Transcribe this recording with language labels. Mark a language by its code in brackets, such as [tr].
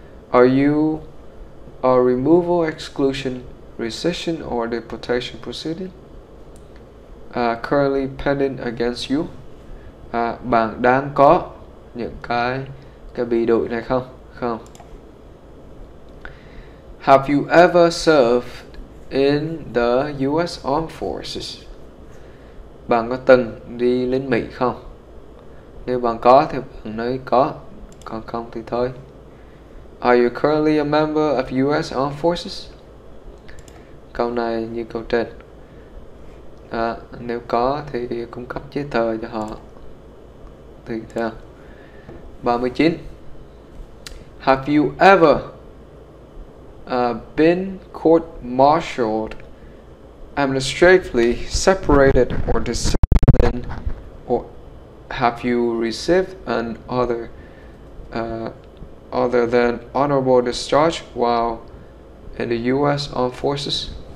[en] Are you a removal, exclusion, rescission or deportation proceeding currently pending against you? [vi] Bạn đang có những cái bị đuổi này không? Không. [en] Have you ever served in the US Armed Forces? [vi] Bạn có từng đi lính Mỹ không? Nếu bạn có thì bạn nói có, còn không thì thôi. [en] Are you currently a member of US Armed Forces? [vi] Câu này như câu trên. Nếu có thì cung cấp giấy tờ cho họ. Thì theo. 39. [en] Have you ever been court-martialed, administratively separated or disciplined, or have you received an other than honorable discharge while in the US Armed Forces?